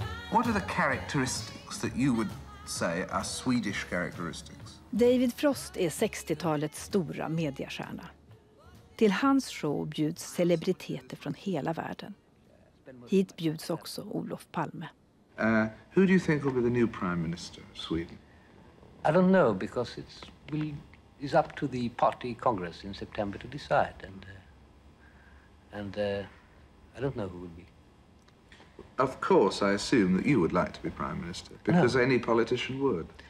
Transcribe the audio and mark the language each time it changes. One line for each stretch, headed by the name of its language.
English: What are the characteristics that you would say are Swedish characteristics?
Swedish: David Frost är 60-talets stora mediestjärna. Till hans show bjuds celebriteter från hela världen. Hit bjuds också Olof Palme.
English: Who do you think will be the new prime minister of Sweden? I don't know because it's up to the party congress in September to decide and I don't know who will be. Of course, I assume that you would like to be prime minister, because no. Any politician would.